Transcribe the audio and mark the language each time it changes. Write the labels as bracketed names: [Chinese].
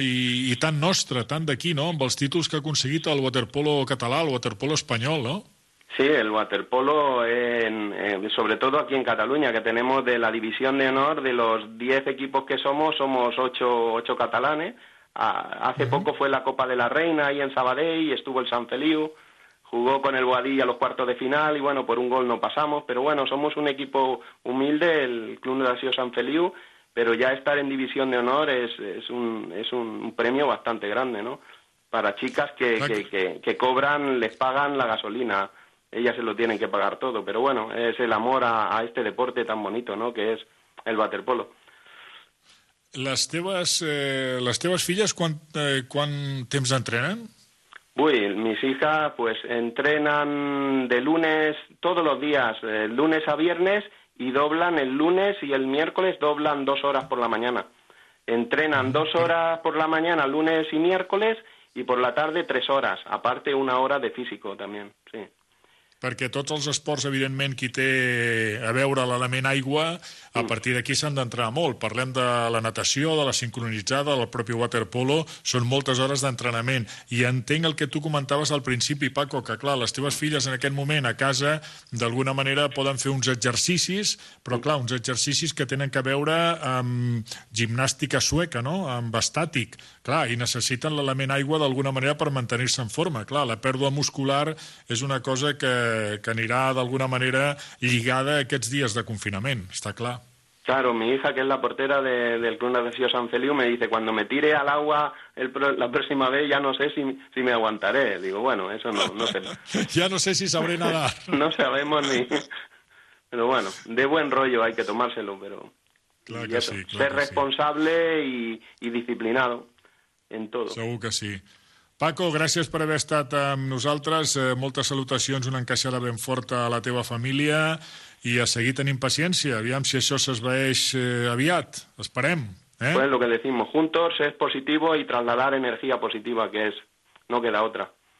[Catalan] I tan nostre, tan d'aquí, no? Amb els títols que ha aconseguit el waterpolo català, el waterpolo espanyol, no? [Spanish] Sí, el waterpolo, [Catalan] sobretot aquí en Catalunya, [Spanish] que tenemos de la división de honor de los 10 equipos que somos 8 catalanes. Hace poco fue la Copa de la Reina ahí en Sabadell, estuvo el San Feliu, jugó con el Boadilla a los cuartos de final y bueno, por un gol no pasamos, pero bueno, somos un equipo humilde, el Club Natació San Feliu, pero ya estar en división de honor es un premio bastante grande, ¿no? Para chicas que cobran, les pagan la gasolina, ellas se lo tienen que pagar todo, pero bueno, es el amor a este deporte tan bonito, ¿no? Que es el waterpolo. [Catalan] Las teves filles quan temps entrenen? [Spanish] Uy, mis hijas pues entrenan de lunes, todos los días, lunes a viernes. Y doblan el lunes y el miércoles, doblan 2 horas por la mañana. Entrenan 2 horas por la mañana, lunes y miércoles, y por la tarde 3 horas, aparte 1 hora de físico también, sí. [Catalan] Perquè tots els esports, evidentment, qui té a veure l'element aigua, a partir d'aquí s'han d'entrenar molt. Parlem de la natació, de la sincronitzada, del propi waterpolo, són moltes hores d'entrenament. I entenc el que tu comentaves al principi, Paco, que, clar, les teves filles en aquest moment a casa, d'alguna manera, poden fer uns exercicis, però, clar, uns exercicis que tenen que veure amb gimnàstica sueca, no?, amb estàtic, clar, i necessiten l'element aigua d'alguna manera per mantenir-se en forma. Clar, la pèrdua muscular és una cosa que anirà d'alguna manera lligada a aquests dies de confinament, està clar. [Spanish] Claro, mi hija, que es la portera del Club Natació San Feliu, me dice, cuando me tire al agua la próxima vez, ya no sé si me aguantaré. Digo, bueno, eso no sé. Ya no sé si sabré nadar. No sabemos ni... Pero bueno, de buen rollo hay que tomárselo, pero... Claro que sí, claro. Ser responsable sí. y disciplinado en todo. [Catalan] Segur que sí. Paco, gràcies per haver estat amb nosaltres. Moltes salutacions, una encaixada ben forta a la teva família i a seguir tenint paciència. Aviam si això s'esvaeix aviat. Esperem. [Spanish] Pues lo que decimos, juntos es positivo y trasladar energía positiva, que es no queda otra.